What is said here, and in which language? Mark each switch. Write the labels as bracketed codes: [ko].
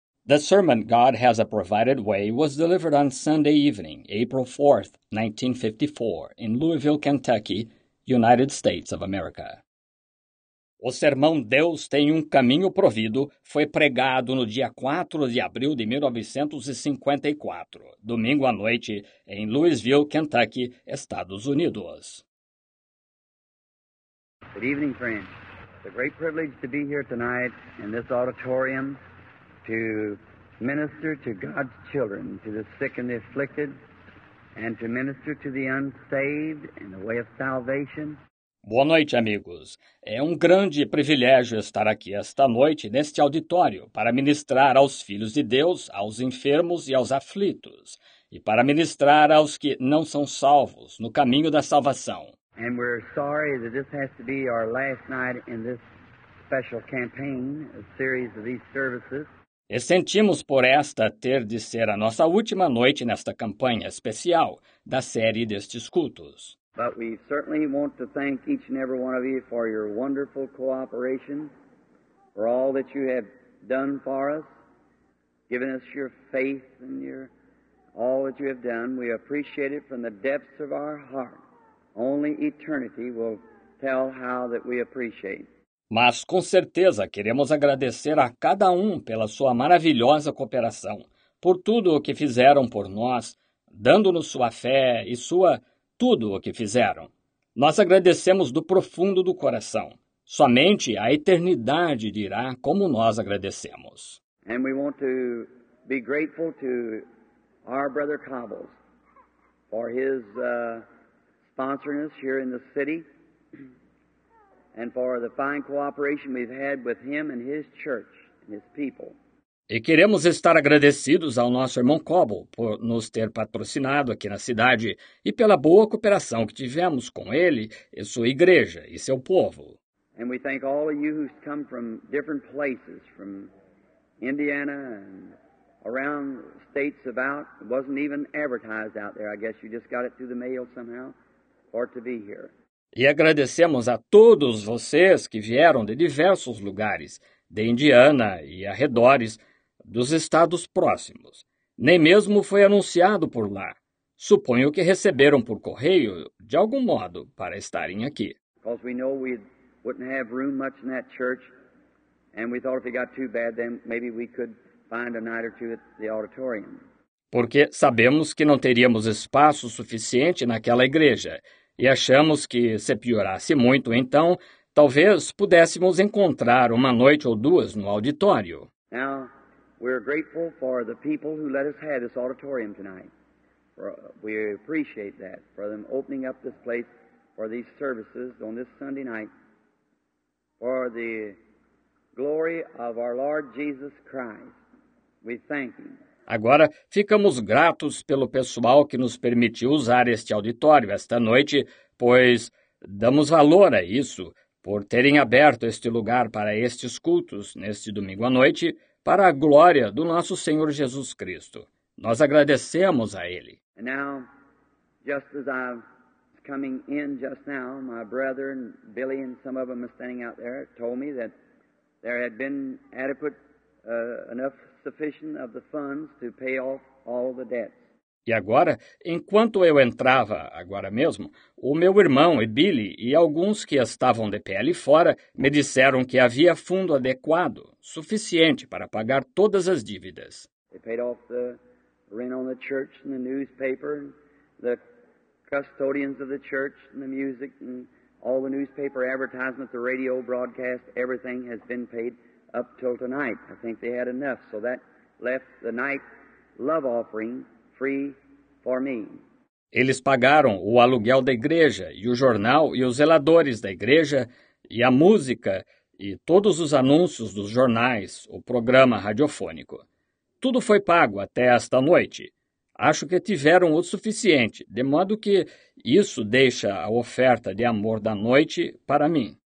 [en] The sermon God Has a Provided Way was delivered on Sunday evening, April 4, 1954, in Louisville, Kentucky, United States of America. [pt] O sermão Deus Tem um Caminho Provido foi pregado no dia 4 de abril de 1954, domingo à noite, em Louisville, Kentucky, Estados Unidos. [en] Good evening, friends. It's a great privilege to be here tonight in this auditorium to minister to God's children, to the sick and the afflicted, and to minister to the unsaved in the way of salvation. [pt] Boa noite, amigos. É um grande privilégio estar aqui esta noite neste auditório para ministrar aos filhos de Deus, aos enfermos e aos aflitos, e para ministrar aos que não são salvos no caminho da salvação. [en] And we're sorry that this has to be our last night in this special campaign, a series of these services. [pt] E sentimos por esta ter de ser a nossa última noite nesta campanha especial da série destes cultos. [en] But we certainly want to thank each and every one of you for your wonderful cooperation, for all that you have done for us, given us your faith and your all that you have done. We appreciate it from the depths of our heart. Only eternity will tell how that we appreciate. [pt] Mas com certeza queremos agradecer a cada um pela sua maravilhosa cooperação, por tudo o que fizeram por nós, dando-nos sua fé e sua tudo o que fizeram. Nós agradecemos do profundo do coração. Somente a eternidade dirá como nós agradecemos. [en] And we want to be grateful to our brother Cobbles for his sponsoring us here in the city and for the fine cooperation we've had with him and his church and his people. [pt] E queremos estar agradecidos ao nosso irmão Cobble por nos ter patrocinado aqui na cidade e pela boa cooperação que tivemos com ele e sua igreja e seu povo. [en] And we thank all of you who've come from different places, from Indiana and around states about. It wasn't even advertised out there, I guess you just got it through the mail somehow, or to be here. [pt] E agradecemos a todos vocês que vieram de diversos lugares, de Indiana e arredores, dos estados próximos. Nem mesmo foi anunciado por lá. Suponho que receberam por correio, de algum modo, para estarem aqui. [en] Because we know we wouldn't have room much in that church, and we thought if it got too bad, then maybe we could find a night or two at the auditorium. [pt] Porque sabemos que não teríamos espaço suficiente naquela igreja, e achamos que, se piorasse muito, então, talvez pudéssemos encontrar uma noite ou duas no auditório. [en] Now, we're grateful for the people who let us have this auditorium tonight. We appreciate that, for them opening up this place for these services on this Sunday night, for the glory of our Lord Jesus Christ. We thank you. [pt] Agora, ficamos gratos pelo pessoal que nos permitiu usar este auditório esta noite, pois damos valor a isso, por terem aberto este lugar para estes cultos neste domingo à noite, para a glória do nosso Senhor Jesus Cristo. Nós agradecemos a Ele. E agora, [en] just as I was coming in just now, my brother and Billy and some of them are standing out there told me that there had been adequate enough sufficient of the funds to pay off all the debts. [pt] E agora, enquanto eu entrava agora mesmo, o meu irmão e Billy e alguns que estavam de pé ali fora me disseram que havia fundo adequado, suficiente para pagar todas as dívidas. [en] They paid off the rent on the church and the newspaper and the custodians of the church and the music and all the newspaper advertisements, the radio broadcast, everything has been paid. Up till tonight, I think they had enough, so that left the night love offering free for me. [pt] Eles pagaram o aluguel da igreja e o jornal e os zeladores da igreja e a música e todos os anúncios dos jornais, o programa radiofônico. Tudo foi pago até esta noite. Acho que tiveram o suficiente, de modo que isso deixa a oferta de amor da noite para mim.